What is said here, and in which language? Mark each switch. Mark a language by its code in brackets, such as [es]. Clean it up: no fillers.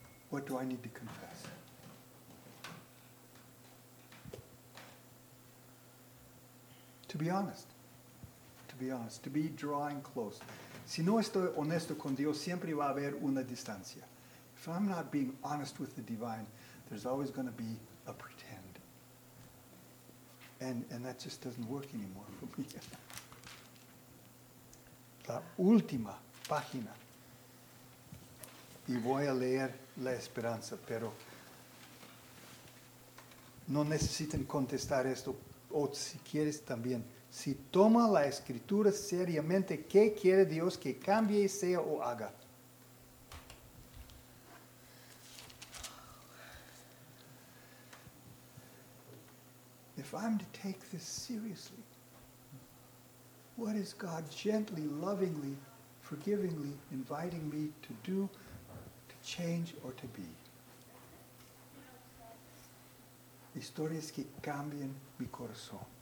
[en] What do I need to confess? To be honest, to be drawing close. [es] Si no estoy honesto con Dios, siempre va a haber una distancia. [en] If I'm not being honest with the divine, there's always going to be a pretend. And that just doesn't work anymore for me. [es] La última página. Y voy a leer la esperanza, pero no necesitan contestar esto. O si quieres también, si toma la escritura seriamente, ¿qué quiere Dios que cambie, sea o haga? [en] If I'm to take this seriously, what is God gently, lovingly, forgivingly inviting me to do, to change, or to be? [es] Historias que cambien mi corazón.